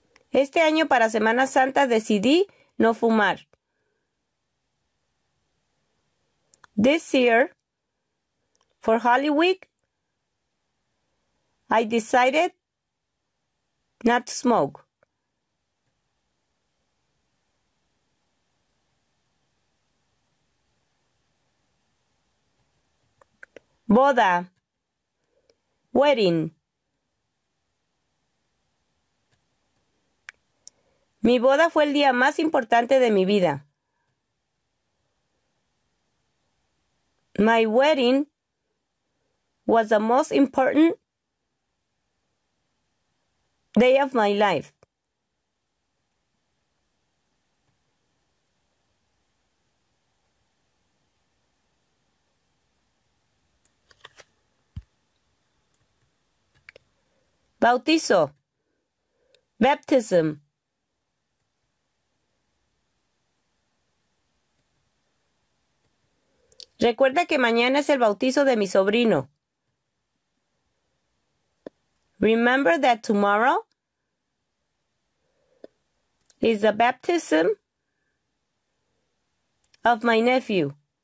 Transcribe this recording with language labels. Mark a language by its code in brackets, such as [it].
[es] Este año para Semana Santa decidí no fumar. [en] This year, for Holy Week, I decided not to smoke. [es] Boda. Wedding. Mi boda fue el día más importante de mi vida. [en] My wedding was the most important day of my life. [es] Bautizo. Baptism. Recuerda que mañana es el bautizo de mi sobrino. [en] Remember that tomorrow is the baptism of my nephew.